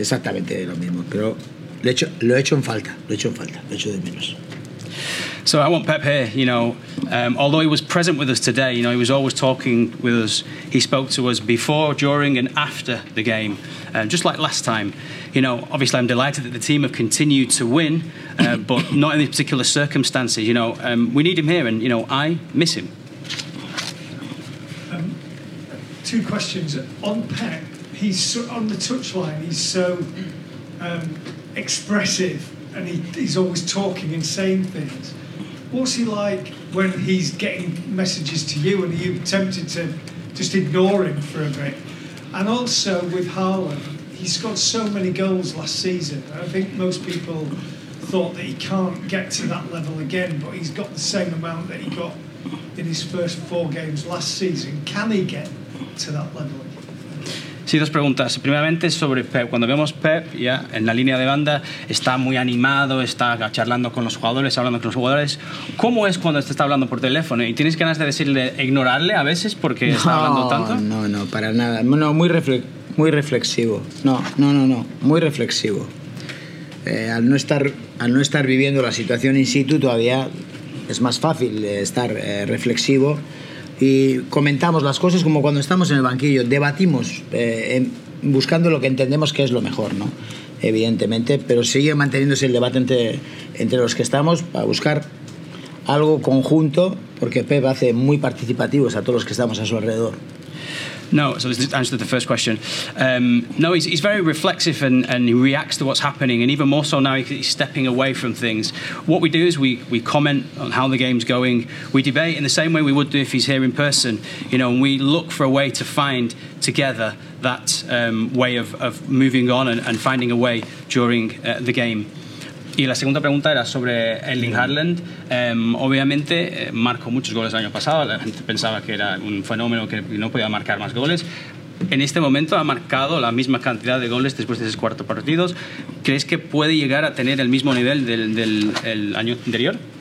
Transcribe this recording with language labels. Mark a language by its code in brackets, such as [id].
[es] Exactamente lo mismo, pero lo he hecho en falta, lo he hecho de menos. [en] So I want Pep here, you know, although he was present with us today, you know, he was always talking with us. He spoke to us before, during and after the game, just like last time. You know, obviously I'm delighted that the team have continued to win, but not in these particular circumstances. You know, we need him here, and you know, I miss him. Two questions on Pep. He's so, on the touchline. He's so expressive, and he's always talking and saying things. What's he like when he's getting messages to you, and are you tempted to just ignore him for a bit? And also with Haaland, he scored so many goals last season. I think most people thought that he can't get to that level again, but he's got the same amount that he got in his first four games last season. Can he get to that level again? [es] Sí, dos preguntas. Primeramente sobre Pep. Cuando vemos Pep ya en la línea de banda, está muy animado, está charlando con los jugadores, hablando con los jugadores. ¿Cómo es cuando está hablando por teléfono? ¿Y tienes ganas de decirle, ignorarle a veces porque está hablando tanto? No, para nada. No, muy reflexivo. No. Muy reflexivo. Al no estar viviendo la situación in situ, todavía es más fácil estar reflexivo. Y comentamos las cosas como cuando estamos en el banquillo, debatimos buscando lo que entendemos que es lo mejor, ¿no? Evidentemente, pero sigue manteniéndose el debate entre los que estamos para buscar algo conjunto, porque Pep hace muy participativos a todos los que estamos a su alrededor. No, so this is the answer to the first question. No, he's very reflexive and he reacts to what's happening, and even more so now he's stepping away from things. What we do is we comment on how the game's going. We debate in the same way we would do if he's here in person, you know, and we look for a way to find together that way of moving on and finding a way during the game. Y la segunda pregunta era sobre Erling Haaland. Obviamente marcó muchos goles el año pasado, la gente pensaba que era un fenómeno, que no podía marcar más goles. En este momento ha marcado la misma cantidad de goles después de esos cuatro partidos. ¿Crees que puede llegar a tener el mismo nivel del año anterior?